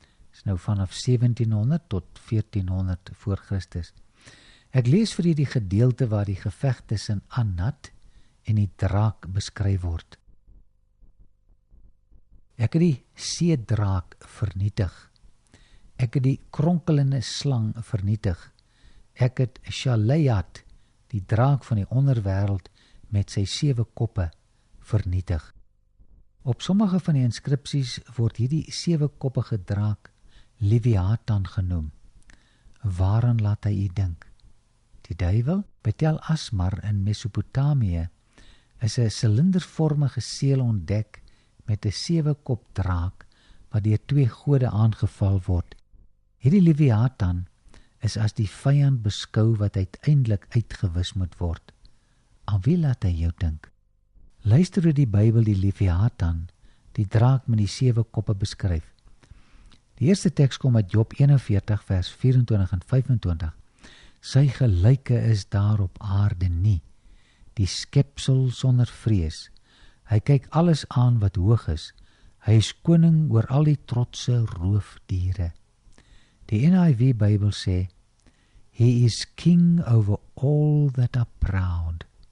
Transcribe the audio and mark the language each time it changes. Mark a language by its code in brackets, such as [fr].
[af] Dit is nou vanaf 1700 tot 1400 voor Christus. Ek lees vir die gedeelte waar die geveg tussen Anat en die draak beskryf word. Ek het die seedraak vernietig. Ek het die kronkelende slang vernietig. Ek het Shaleat, die draak van die onderwêreld, met sy 7 koppe vernietig. Op sommige van die inskripsies word hierdie 7-koppige draak Leviathan genoem. Waaraan laat hy u dink? Die duivel, Betel Asmar in Mesopotamië, is 'n silindervormige seel ontdek met 'n 7-kop draak wat deur 2 gode aangeval word. Hierdie Leviathan is as die vyand beskou wat uiteindelik uitgewis moet word. Aan wie laat hy jou dink? Luister hoe die Bybel die Leviathan, die draak met die 7 koppe, beskryf. Die eerste tekst kom uit Job 41 vers 24 en 25. Sy gelyke is daar op aarde nie, die skepsel sonder vrees. Hy kyk alles aan wat hoog is. Hy is koning oor al die trotse roofdiere. Die NIV Bybel sê, [en] He is king over all that are proud.